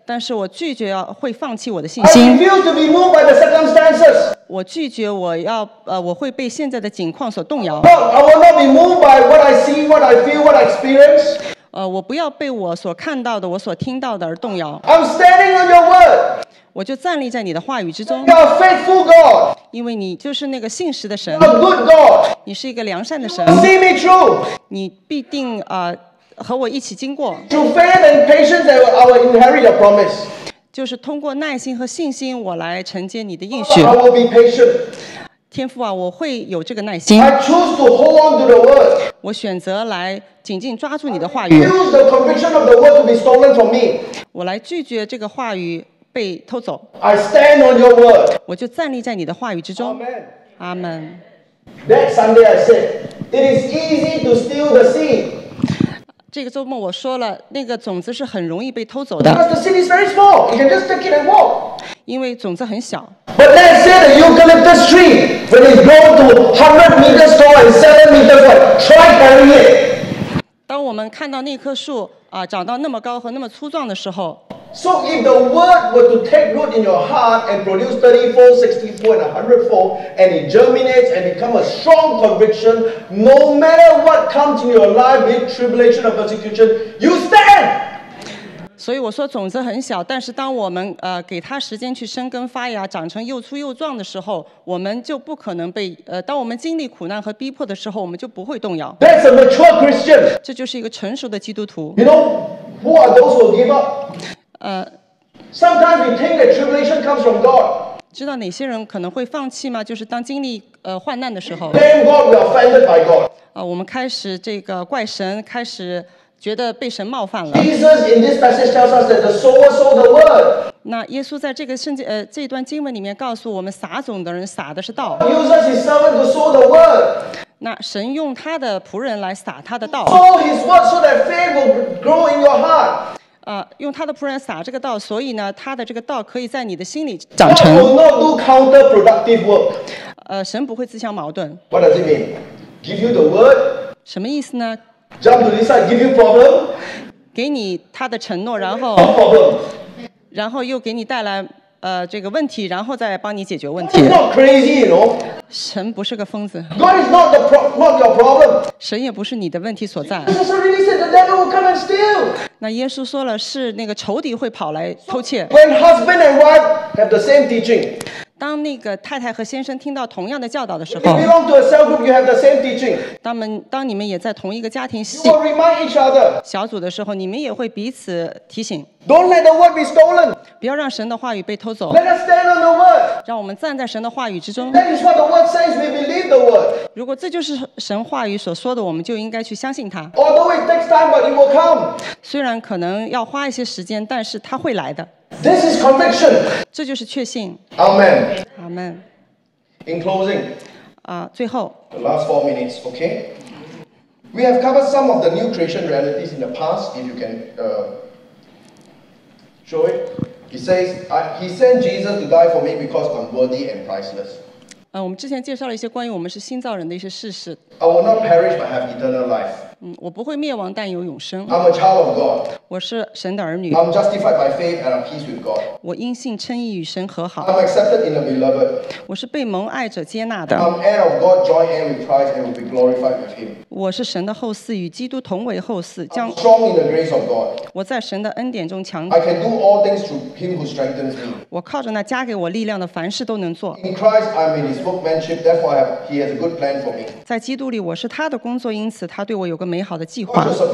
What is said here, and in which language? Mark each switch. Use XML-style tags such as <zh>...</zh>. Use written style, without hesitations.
<zh>但是我拒绝要会放弃我的信心。</zh> <en>I refuse to be moved by the circumstances.</en> <zh>我拒绝我要我会被现在的境况所动摇。</zh> <en>But I will not be moved by what I see, what I feel, what I experience.</en> <zh>我不要被我所看到的、我所听到的而动摇。</zh> <en>I'm standing on your word.</en> <zh>我就站立在你的话语之中。</zh> <en>You are a faithful God.</en> <zh>因为你就是那个信实的神。</zh> <en>You are a good God.</en> <zh>你是一个良善的神。</zh> <en>You will see me through.</en> <zh>你必定和我一起经过。</zh> <en>Through faith and patience, I will inherit your promise.</en> <zh>就是通过耐心和信心，我来承接你的应许。</zh> <en>I will be patient.</en> <zh>天父啊，我会有这个耐心。</zh> <en>I choose to hold on to the word.</en> <zh>我选择来紧紧抓住你的话语。</zh> <en>I refuse the conviction of the word to be stolen from me.</en> <zh>我来拒绝这个话语被偷走。</zh> <en>I stand on your word.</en> <zh>我就站立在你的话语之中。</zh> <en>Amen. Amen. That Sunday I said, it is easy to steal the seed.</en> <zh>这个周末我说了，那个种子是很容易被偷走的。</zh> <en>Because the seed is very small, you can just take it and walk.</en> <zh>因为种子很小。</zh> <en>But let's say the eucalyptus tree, when it grows to 100 meters tall and 7 meters wide, try carrying it.</en> <zh>当我们看到那棵树长到那么高和那么粗壮的时候。</zh> <en>So if the word were to take root in your heart and produce 30-fold, 60-fold, and 100-fold, and it germinates and become a strong conviction, no matter what comes in your life, be it tribulation or persecution, you stand.</en> <zh>所以我说种子很小，但是当我们给它时间去生根发芽，长成又粗又壮的时候，我们就不可能被当我们经历苦难和逼迫的时候，我们就不会动摇。</zh> <en>That's a mature Christian.</en> <zh>这就是一个成熟的基督徒。</zh> <en>You know who are those who give up? Sometimes we think that tribulation comes from God.</en> <zh>知道哪些人可能会放弃吗？就是当经历患难的时候。</zh> <en>Blame God, we are offended by God.</en> <zh>我们开始这个怪神，开始。觉得被神冒犯了。</zh> <en>Jesus in this passage tells us that the sower sowed the word.</en> <zh>那耶稣在这个圣经这段经文里面告诉我们，撒种的人撒的是道。</zh> <en>God uses his servant to sow the word.</en> <zh>那神用他的仆人来撒他的道。</zh> <en>Sow his word so that faith will grow in your heart.</en> <zh>用他的仆人撒这个道，所以呢，他的这个道可以在你的心里长成。</zh> <en>God will not do counterproductive work.</en> <zh>神不会自相矛盾。</zh> <en>What does it mean? Give you the word.</en> <zh>什么意思呢？</zh> <en>Jump to this side, give you problem.</en> <zh>给你他的承诺，然后又给你带来这个问题，然后再帮你解决问题。</zh> <en>God is not crazy, you know.</en> <zh>神不是个疯子。</zh> <en>God is not not your problem.</en> <zh>神也不是你的问题所在。</zh> <en>Jesus already said the devil will come and steal.</en> <zh>那耶稣说了，是那个仇敌会跑来偷窃。</zh> <en>When husband and wife have the same teaching.</en> <zh>当那个太太和先生听到同样的教导的时候，当你们也在同一个家庭小组的时候，你们也会彼此提醒。</zh> <en>Don't let the word be stolen.</en> <zh>不要让神的话语被偷走。</zh> <en>Let us stand on the word.</en> <zh>让我们站在神的话语之中。</zh> <en>That is what the word says. We believe the word.</en> <zh>如果这就是神话语所说的，我们就应该去相信它。</zh> <en>Although it takes time, but it will come.</en> <zh>虽然可能要花一些时间，但是它会来的。</zh> <en>This is conviction.</en> <zh>这就是确信。</zh> <en>Amen. Amen. In closing.</en> <zh>最后。</zh> <en>The last 4 minutes, okay? We have covered some of the new creation realities in the past. If you can. Show it. He says, He sent Jesus to die for me because I'm worthy and priceless.</en> <zh>我们之前介绍了一些关于我们是新造人的一些事实。</zh> <en>I will not perish, but have eternal life.</en> <zh>我不会灭亡，但有永生。</zh> <en>I'm a child of God.</en> <zh>我是神的儿女。</zh> <en>I'm justified by faith and at peace with God.</en> <zh>我因信称义与神和好。</zh> <en>I'm accepted in the beloved.</en> <zh>我是被蒙爱者接纳的。</zh> <en>I'm heir of God, joint heir with Christ, and will be glorified with Him.</en> <zh>我是神的后嗣，与基督同为后嗣。</zh> <en>I'm strong in the grace of God.</en> <zh>我在神的恩典中强。</zh> <en>I can do all things through Him who strengthens me.</en> <zh>我靠着那加给我力量的，凡事都能做。</zh> <en>In Christ, I'm in His workmanship, therefore He has a good plan for me.</en> <zh>在基督里，我是他的工作，因此他对我有个美好的计划。</zh>